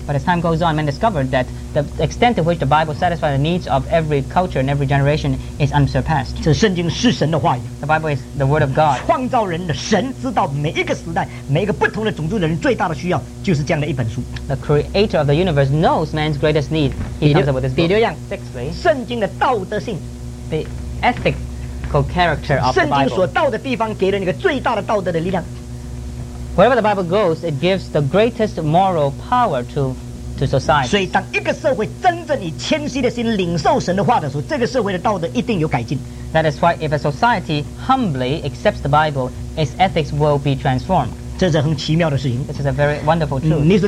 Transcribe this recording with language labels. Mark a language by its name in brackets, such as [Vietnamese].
[English] But as time goes on men discovered that the extent to which the Bible satisfies the needs of every culture and every generation is unsurpassed [Chinese] 这圣经是神的话语 [English] The Bible is the word of God [Chinese] 创造人的神知道每一个时代每一个不同的种族的人最大的需要就是这样的一本书 [English] The creator of the universe knows man's greatest need He comes up with this book [Chinese] 比如样, [English] Sixthly [Chinese] 圣经的道德性 [English] The ethical character of the Bible. [Chinese] 圣经所到的地方，给了你个最大的道德的力量。 [English] Wherever the Bible goes, it gives the greatest moral power to society. [Chinese] 所以，当一个社会真正以谦虚的心领受神的话的时候，这个社会的道德一定有改进。 [English] That is why, if a society humbly accepts the Bible, its ethics will be transformed. [Chinese] 这是很奇妙的事情。 [English] This is a very wonderful truth.